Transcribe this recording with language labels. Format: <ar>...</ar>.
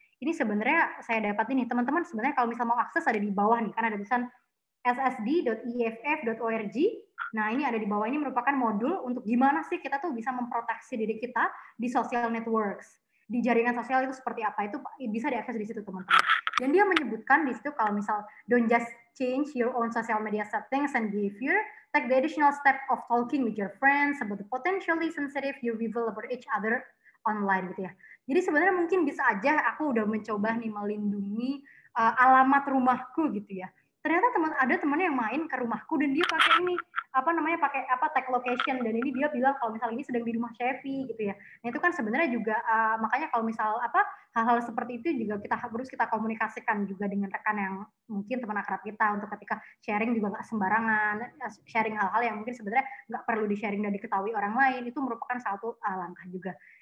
<id>Ini sebenarnya saya dapat ini, teman-teman sebenarnya kalau misal mau akses ada di bawah nih, kan ada tulisan ssd.iff.org. Nah, ini ada di bawah, ini merupakan modul untuk gimana sih kita tuh bisa memproteksi diri kita di social networks. Di jaringan sosial itu seperti apa, itu bisa diakses di situ, teman-teman. Dan dia menyebutkan di situ kalau misal</id> <en>don't just change your own social media settings and behavior, take the additional step of talking with your friends about the potentially sensitive you reveal about each other online, gitu ya.</en> <id>Jadi sebenarnya mungkin bisa aja aku udah mencoba nih melindungi alamat rumahku gitu ya. Ternyata ada teman yang main ke rumahku dan dia pakai ini, tag location. Dan ini dia bilang kalau misalnya ini sedang di rumah Chevy gitu ya. Nah itu kan sebenarnya juga, makanya kalau misal hal-hal seperti itu juga kita harus kita komunikasikan juga dengan rekan yang mungkin teman akrab kita untuk ketika sharing juga nggak sembarangan, sharing hal-hal yang mungkin sebenarnya nggak perlu di-sharing dan diketahui orang lain, itu merupakan satu langkah juga.</id>